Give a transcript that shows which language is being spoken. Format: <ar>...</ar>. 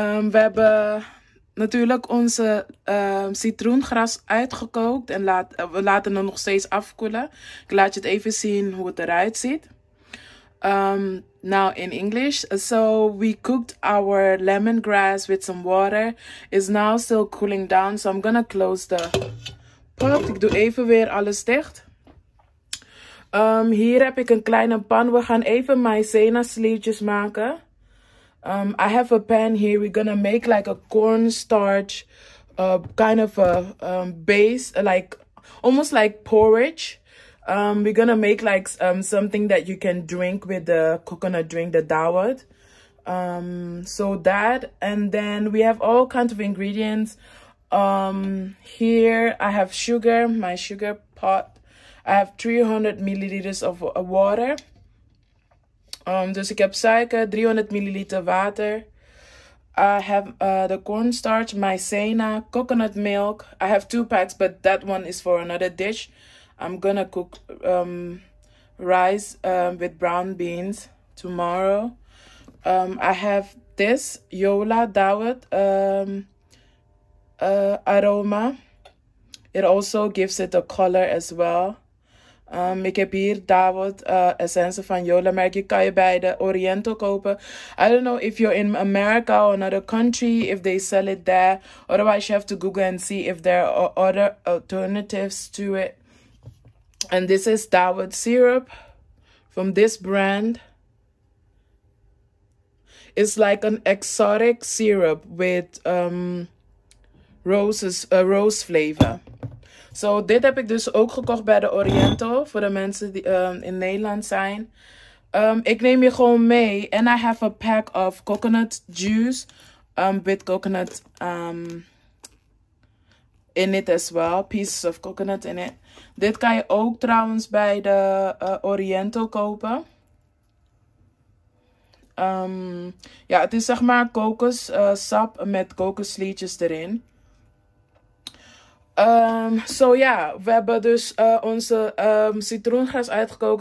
<nl>We hebben natuurlijk onze citroengras uitgekookt. En we laten het nog steeds afkoelen. Ik laat je het even zien hoe het eruit ziet.</nl> <en>Now in English, so we cooked our lemongrass with some water. It's now still cooling down, so I'm gonna close the pot.</en> <nl>Ik doe even weer alles dicht. Hier heb ik een kleine pan. We gaan even maïzena sliertjes maken.</nl> <en>I have a pan here. We're gonna make like a cornstarch kind of a base, like almost like porridge. We're gonna make like something that you can drink with the coconut drink, the dawet. So that, and then we have all kinds of ingredients. Here I have sugar, my sugar pot. I have 300 milliliters of water.</en> <nl>Dus ik heb suiker, 300 milliliter water.</nl> <en>I have the cornstarch, maizena, coconut milk. I have 2 packs, but that one is for another dish. I'm gonna cook rice with brown beans tomorrow. I have this Yola Dawet aroma. It also gives it a color as well.</en> <nl>Ik heb hier Dawet essence van Yola. Merk je, kan je bij de Oriental kopen.</nl> <en>I don't know if you're in America or another country, if they sell it there. Otherwise, you have to Google and see if there are other alternatives to it. And this is Dawet syrup from this brand. It's like an exotic syrup with rose flavor.</en> <nl>So dit heb ik dus ook gekocht bij de Oriental voor de mensen die in Nederland zijn. Ik neem je gewoon mee.</nl> <en>And I have a pack of coconut juice with coconut in it as well. Pieces of coconut in it.</en> <nl>Dit kan je ook trouwens bij de Oriental kopen. Ja, het is zeg maar kokossap met kokosliedjes erin. Zo ja, we hebben dus onze citroengras uitgekookt.</nl>